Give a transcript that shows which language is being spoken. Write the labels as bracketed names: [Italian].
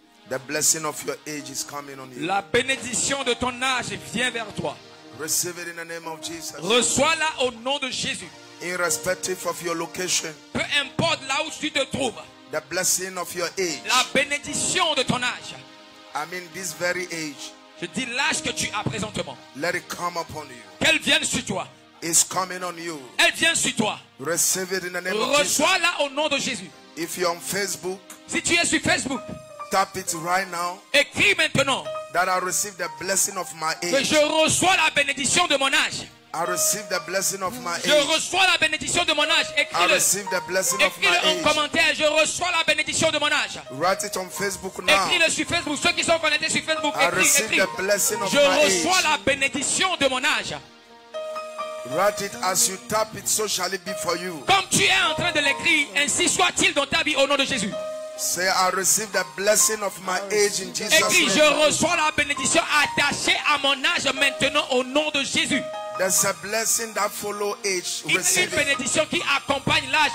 [English] The blessing of your age is coming on you. [French] La bénédiction de ton âge vient vers toi. [English] Receive it in the name of Jesus. [French] Reçois-la au nom de Jésus. [English] Irrespective of your location. [French] Peu importe là où tu te trouves. [English] The blessing of your age. [French] La bénédiction de ton âge. [English] I mean this very age. [French] Je dis l'âge que tu as présentement. [English] Let it come upon you. [French] Qu'elle vienne sur toi. [English] It's coming on you. [French] Elle vient sur toi. [English] Receive it in the name of Jesus. [French] Reçois-la au nom de Jésus. [English] If you're on Facebook, [French] si tu es sur Facebook, [English] tap it right now. [French] Écris maintenant. [English] That I receive the blessing of my age. [French] Que je reçois la bénédiction de mon âge. [English] I receive the blessing of my age. [French] Je reçois la bénédiction de mon âge. Écris-le. [English] I receive the blessing of my age. [French] Écris-le en commentaire. Je reçois la bénédiction de mon âge. [English] Write it on Facebook now. [French] Écris-le sur Facebook. Ceux qui sont connectés sur Facebook, écris. [English] I receive the blessing of my age. [French] Je reçois la bénédiction de mon âge. [English] Write it as you tap it, so shall it be for you. [French] Comme tu es en train de l'écrire, ainsi soit-il dans ta vie au nom de Jésus. [English] Say, I receive the blessing of my age in Jesus' [French] écris, [English] name. [French] Je reçois la bénédiction attachée à mon âge maintenant au nom de Jésus. [English] There's a blessing that follows age. [French] Il y a une bénédiction qui accompagne l'âge.